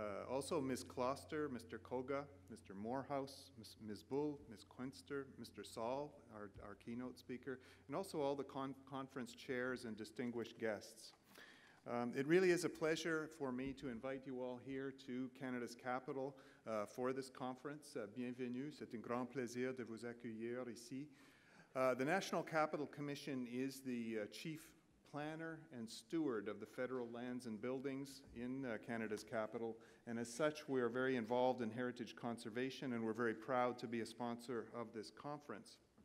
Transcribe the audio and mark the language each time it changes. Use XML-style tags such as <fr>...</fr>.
<en>Also Ms. Kloster, Mr. Koga, Mr. Morehouse, Ms. Bull, Ms. Quinster, Mr. Saul, our keynote speaker, and also all the conference chairs and distinguished guests. It really is a pleasure for me to invite you all here to Canada's capital for this conference.</en> <fr>Bienvenue, c'est un grand plaisir de vous accueillir ici.</fr> <en>The National Capital Commission is the chief planner and steward of the federal lands and buildings in Canada's capital, and as such, we are very involved in heritage conservation, and we're very proud to be a sponsor of this conference.</en>